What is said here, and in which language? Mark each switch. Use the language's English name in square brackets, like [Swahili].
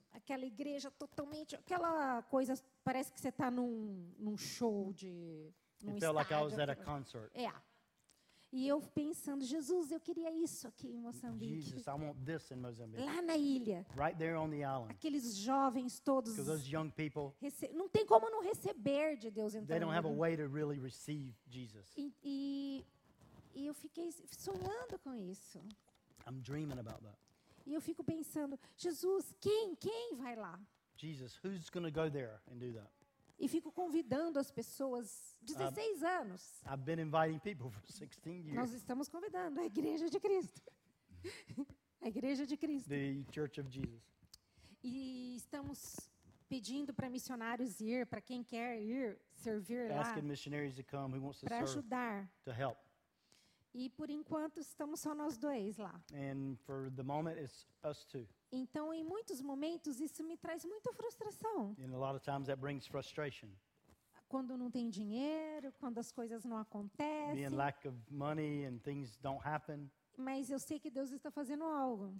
[Portuguese] Aquela igreja totalmente, aquela coisa parece que você está num show de num [English] It felt Like I was at a concert. [Portuguese] É. E eu pensando, Jesus, eu queria isso aqui em Moçambique. [English] Jesus, I want this in Mozambique. [Portuguese] Lá na ilha. [English] Right there on the island. [Portuguese] Aqueles jovens todos. [English] Because those young people. [Portuguese] Não tem como não receber de Deus entrando. [English] They don't have a way to really receive Jesus. [Portuguese] E eu fiquei sonhando com isso. [English] I'm dreaming about that. [Portuguese] E eu fico pensando, Jesus, quem vai lá? [English] Jesus, who's going to go there and do that? [Portuguese] E fico convidando as pessoas, 16 anos. [English] I've been inviting people for 16 years. [Portuguese] Nós estamos convidando a Igreja de Cristo. A Igreja de Cristo. [English] The Church of Jesus. [Portuguese] E estamos pedindo para missionários ir, para quem quer ir, servir [English] Asking [Portuguese] lá. [English] Asking missionaries to come, who wants to serve. [Portuguese] Para ajudar. [English] To help. [Portuguese] E por enquanto estamos só nós dois lá. [English] And for the moment it's us two. [Portuguese] Então, em muitos momentos, isso me traz muita frustração. [English] And a lot of times that brings frustration. [Portuguese] Quando não tem dinheiro, quando as coisas não acontecem. [English] Being lack of money and things don't happen. [Portuguese] Mas eu sei que Deus está fazendo algo.